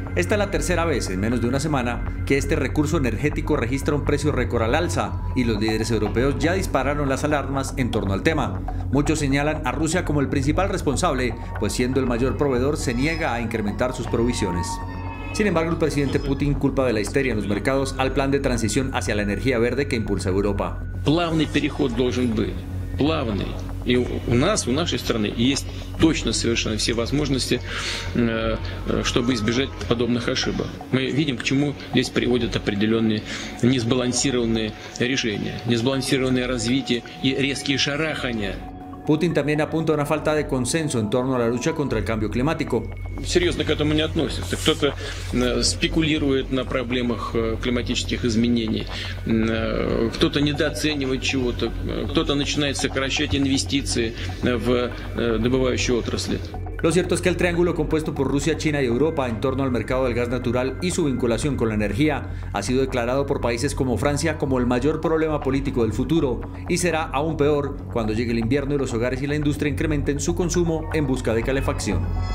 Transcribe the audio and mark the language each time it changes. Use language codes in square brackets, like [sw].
[es] Esta es la tercera vez en menos de una semana que este recurso energético registra un precio récord al alza y los líderes europeos ya dispararon las alarmas en torno al tema. Muchos señalan a Rusia como el principal responsable, pues siendo el mayor proveedor se niega a incrementar sus provisiones. Sin embargo, el presidente Putin culpa de la histeria en los mercados al plan de transición hacia la energía verde que impulsa Europa. [ru] Plavny переход должен быть. Plavny. И у нас, у нашей страны, есть точно совершенно все возможности, чтобы избежать подобных ошибок. Мы видим, к чему здесь приводят определенные несбалансированные решения, несбалансированное развитие и резкие шарахания. [es] Путин también apunta a una falta de consenso en torno a la lucha contra el cambio climático. [ru] Серьезно к этому не относится. Кто-то спекулирует на проблемах климатических изменений, кто-то недооценивает чего-то, кто-то начинает сокращать инвестиции в добывающие отрасли. [es] Lo cierto es que el triángulo compuesto por Rusia, China y Europa en torno al mercado del gas natural y su vinculación con la energía ha sido declarado por países como Francia como el mayor problema político del futuro y será aún peor cuando llegue el invierno y los hogares y la industria incrementen su consumo en busca de calefacción.